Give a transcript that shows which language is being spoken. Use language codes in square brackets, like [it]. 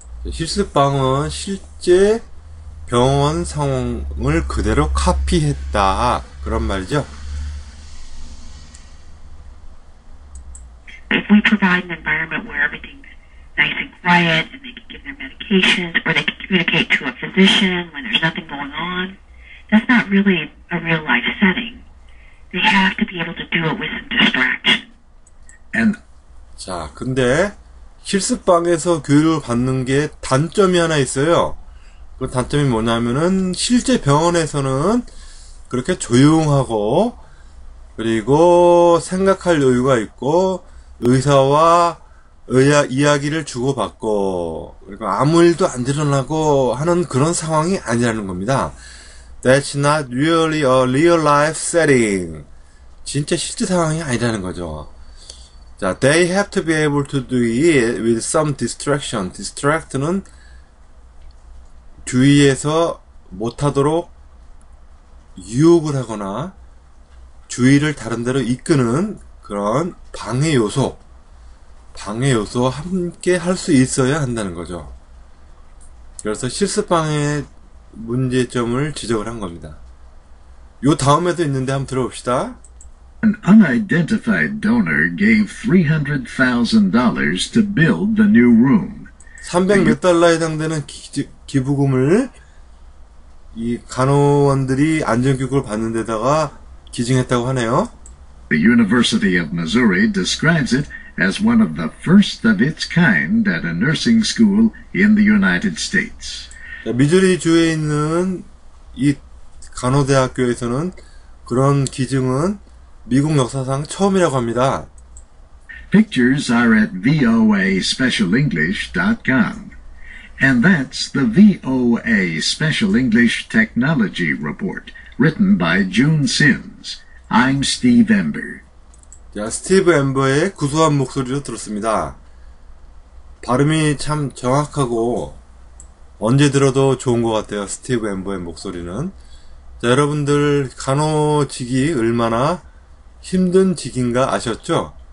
[ko] 실습방은 실제 병원 상황을 그대로 카피했다. 그런 말이죠. [en] If we provide an environment where everything's nice and quiet and they can give their medications or they can communicate to a physician when there's nothing going on, that's not really a real life setting. They have to be able to do it with some distraction. And [ko] 자, 근데 실습방에서 교육을 받는 게 단점이 하나 있어요. 그 단점이 뭐냐면은 실제 병원에서는 그렇게 조용하고 그리고 생각할 여유가 있고 의사와 이야기를 주고받고 그리고 아무 일도 안 일어나고 하는 그런 상황이 아니라는 겁니다. [en] That's not really a real life setting. [ko] 진짜 실제 상황이 아니라는 거죠. [en] 자, they have to be able to do it with some distraction. [ko] Distract는 주의해서 못하도록 유혹을 하거나 주의를 다른 데로 이끄는 그런 방해 요소와 함께 할 수 있어야 한다는 거죠. 그래서 실습방의 문제점을 지적을 한 겁니다. 요 다음에도 있는데 한번 들어봅시다. [en] An unidentified donor gave $300,000 to build the new room. [ko] 300몇 달러에 해당되는 기부금을 이 간호원들이 안전교육을 받는 데다가 기증했다고 하네요. [en] The University of Missouri describes it as one of the first of its kind at a nursing school in the United States. [ko] 미주리주에 있는 이 간호대학교에서는 그런 기증은 미국 역사상 처음이라고 합니다. [en] Pictures are at voaspecialenglish.com. And that's the VOA Special English Technology Report, written by June Sims. I'm Steve Ember. [ko] 자, 스티브 엠버의 구수한 목소리로 들었습니다. 발음이 참 정확하고 언제 들어도 좋은 것 같아요. 스티브 엠버의 목소리는. 자, 여러분들 간호직이 얼마나 힘든 직인가 아셨죠?